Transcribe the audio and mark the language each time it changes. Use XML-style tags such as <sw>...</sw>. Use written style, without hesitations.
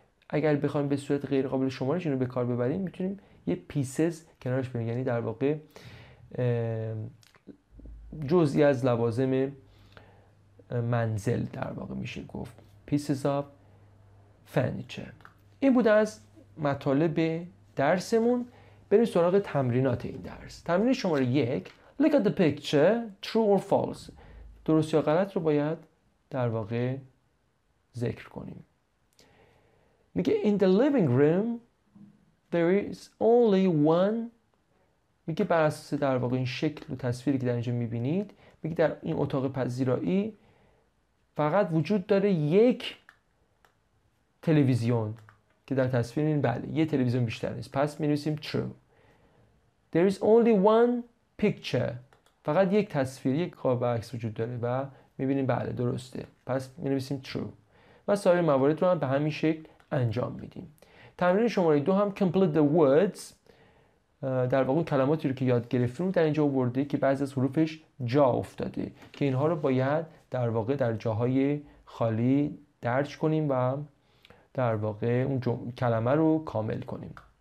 <fa>اگر بخوایم به صورت غیر قابل شمارش اینو به کار ببریم میتونیم یه پیسز کنارش بریم، یعنی در واقع جزئی از لوازم منزل در واقع میشه گفت</fa> <en>Pieces of furniture.</en> <fa>این بود از مطالب درسمون. بریم سراغ تمرینات این درس. تمرین شماره 1،</fa> <en>look at the picture, true or false.</en> <fa>درست یا غلط رو باید در واقع ذکر کنیم. میگه</fa> <en>in the living room there is only one</en> <fa>میگه بر اساس در واقع این شکل و تصویری که در اینجا میبینید، میگه در این اتاق پذیرایی فقط وجود داره یک تلویزیون که در تصویر این، بله یه تلویزیون بیشتر نیست. پس می‌نویسیم true.</fa> <en>There is only one picture.</en> <fa>فقط یک تصویر، یک قاب عکس وجود داره و می‌بینیم بله درسته. پس می‌نویسیم true. و سایر موارد رو هم به همین شکل انجام میدیم. تمرین شماره دو هم</fa> <en>complete the words،</en> <fa>در واقع کلماتی رو که یاد گرفتیم در اینجا آورده که بعضی از حروفش جا افتاده، که اینها رو باید در واقع در جاهای خالی درج کنیم و در واقع اون کلمه رو کامل کنیم.</fa>